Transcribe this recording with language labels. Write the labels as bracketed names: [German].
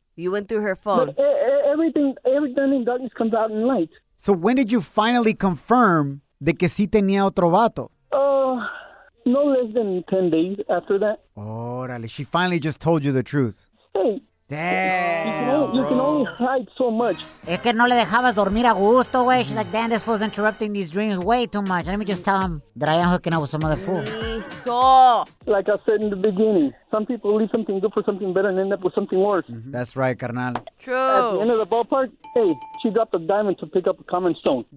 [English] You went through her phone. Everything in darkness comes out in light. So when did you finally confirm [Spanish] de que sí tenía otro vato? [English] No less than 10 days after that. [Spanish] Órale, [English] she finally just told you the truth. Hey, Damn, you can only hide so much. [Spanish] Es que no le dejabas dormir a gusto, güey. [English] She's like, damn, this fool's interrupting these dreams way too much. Let me just tell him that I am hooking up with some other fool. Like I said in the beginning, some people leave something good for something better and end up with something worse. Mm-hmm. That's right, carnal. True. At the end of the ballpark, hey, she dropped a diamond to pick up a common stone.